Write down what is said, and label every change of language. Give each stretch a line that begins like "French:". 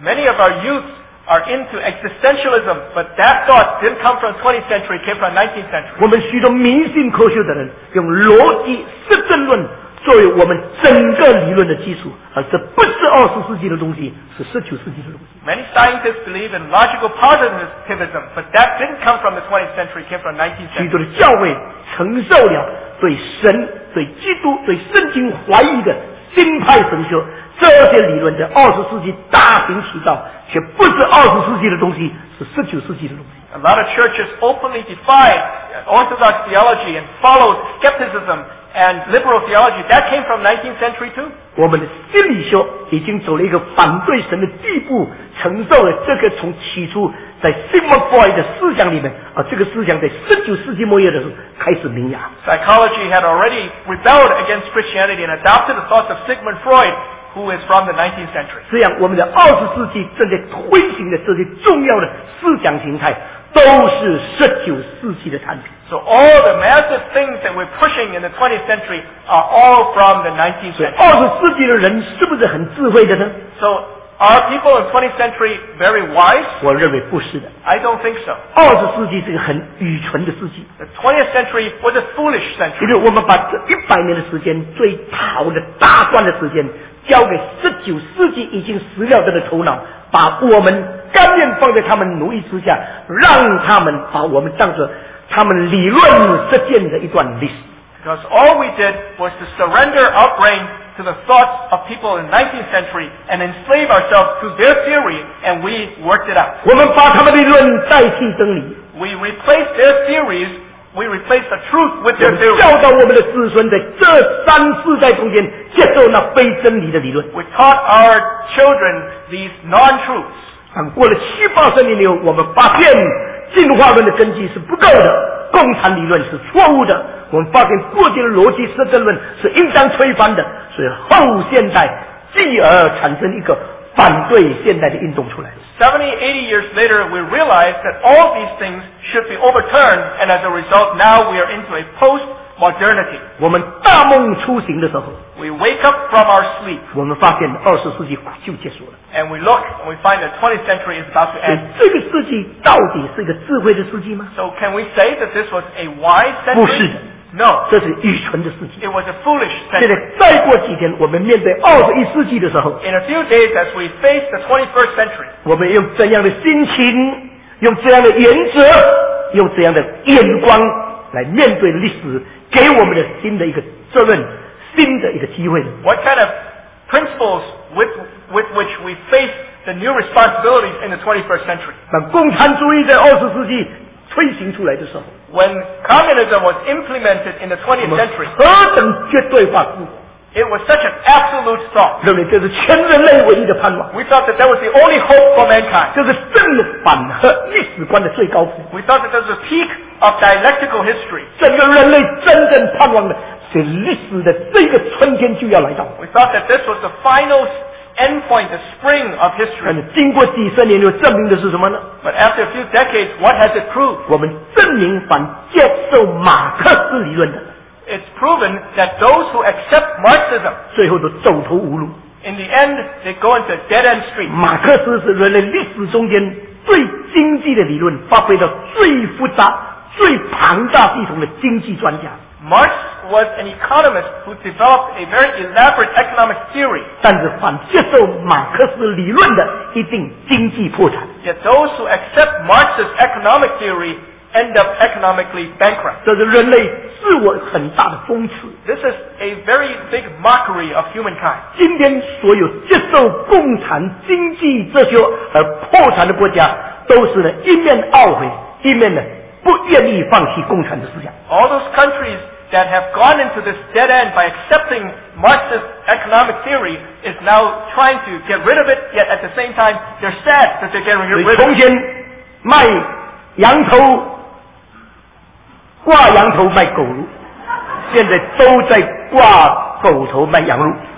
English: Many of our youth are into existentialism, but that thought didn't come from 20th century, it came from 19th century.
Chinese: 我们许多迷信科学的人用逻辑实证论作为我们整个理论的基础，而这不是20世纪的东西，是19世纪的东西。
English: Many scientists believe in logical positivism, but that didn't come from the 20th century, it came from 19th century.
Chinese: 许多的教会承受了对神、对基督、对圣经怀疑的新派神学，这些理论在二十世纪大行其道，却不是二十世纪的东西，是十九世纪的东西。
English: A lot of churches openly defy orthodox theology and follow skepticism and liberal theology. That came from 19th century too.
Chinese: 我们的心理学已经走了一个反对神的地步，承受了这个从起初在 Sigmund Freud 的思想里面，这个思想在19世纪末叶的时候开始萌芽。
English: Psychology had already rebelled against Christianity and adopted the thoughts of Sigmund Freud. Who is from the 19th century?
Chinese: 这样，我们的二十世纪正在推行的这些重要的思想形态，都是十九世纪的产品。
English: So all the massive things that we're pushing in the 20th century are all from the 19th century.
Chinese: 二十世纪的人是不是很智慧的呢？
English: So are people in the 20th century very wise?
Chinese: 我认为不是的。
English: I don't think so.
Chinese: 二十世纪是个很愚蠢的世纪。
English: The 20th century was a foolish century.
Chinese: 因为我们把这一百年的时间，最好的大段的时间，交给十九世纪已经死了的头脑，把我们甘愿放在他们奴役之下，让他们把我们当作他们理论实践的一段历史。
English: Because all we did was to surrender our brain to the thoughts of people in the 19th century and enslave ourselves to their theory, and we worked it out.
Chinese: 我们把他们的理论代替真理。
English: We replaced their theories. We replaced the truth with their theory.
Chinese: 我们教导我们的子孙在这三世代中间。接受那非真理的理论。
English: We taught our children these non-truths.
Chinese: 过了七八十年以后，我们发现进化论的根基是不够的，共产理论是错误的。我们发现过去的逻辑实证论是应当推翻的，所以后现代继而产生一个反对现代的运动出来。
English: 70-80 years later, we realize that all these things should be overturned, and as a result, now we are into a post-modernity.
Chinese: 我们大梦初醒的时候，
English: we wake up from our sleep.
Chinese: 我们发现二十世纪就结束了。
English: And we look and we find that 20th century is about to end.
Chinese: 这个世纪到底是一个智慧的世纪吗？
English: So can we say that this was a wise century?
Chinese: 不是的。
English: No,
Chinese: 这是愚蠢的事情。
English: It was a foolish thing.
Chinese: 现在再过几天，我们面对二十一世纪的时候
English: ，In a few days as we face the 21st century,
Chinese: 我们用怎样的心情，用怎样的原则，用怎样的眼光来面对历史给我们的新的一个责任，新的一个机会
English: ？What kind of principles with which we face the new responsibilities in the 21st century?
Chinese: 当共产主义在二十世纪推行出来的时候。
English: When communism was implemented in the 20th century,
Chinese: 何等绝对化自我
English: it was such an absolute thought.
Chinese: 认为这是全人类唯一的盼望
English: We thought that that was the only hope for mankind.
Chinese: 这是正反和历史观的最高峰
English: We thought that that was the peak of dialectical history.
Chinese: 整个人类真正盼望的是历史的这个春天就要来到
English: We thought that this was the final endpoint, the spring of history.
Chinese: 经过几十年又证明的是什么呢
English: But after a few decades, what has it proved?
Chinese: 我们证明反接受马克思理论的
English: It's proven that those who accept Marxism
Chinese: 最后都走投无路
English: In the end, they go into a dead-end street.
Chinese: 马克思是人类历史中间最经济的理论发挥到最复杂最庞大系统的经济专家
English: Marx was an economist who developed a very elaborate economic theory.
Chinese: 但是反接受马克思理论的一定经济破产。
English: Yet those who accept Marx's economic theory end up economically bankrupt.
Chinese: 这是人类自我很大的讽刺。
English: This is a very big mockery of humankind.
Chinese: 今天所有接受共产经济这些而破产的国家，都是呢一面懊悔，一面呢。不愿意放弃共产的思想。
English: All those countries that have gone into this dead end by accepting Marxist economic theory is now trying to get rid of it, yet at the same time, they're sad that they're getting rid of it.
Chinese: 从前卖羊头挂羊头卖狗肉，现在都在挂狗头卖羊肉。